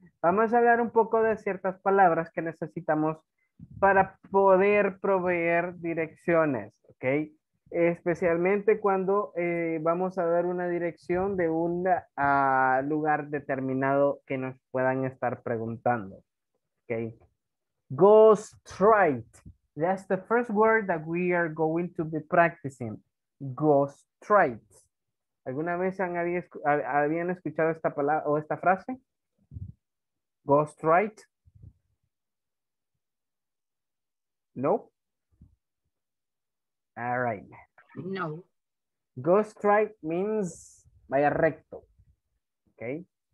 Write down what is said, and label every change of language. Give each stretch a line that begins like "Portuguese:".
Spanish: Vamos a hablar un poco de ciertas palabras que necesitamos para poder proveer direcciones, ¿ok? Especialmente cuando vamos a dar una dirección de un lugar determinado que nos puedan estar preguntando, ¿ok?
English: Go straight. That's the first word that we are going to be practicing. Go straight.
Spanish: ¿Alguna vez habían escuchado esta palabra o esta frase?
English: Go straight.
Spanish: No.
English: All right.
Spanish: No.
English: Go straight means
Spanish: vaya recto.
English: Okay.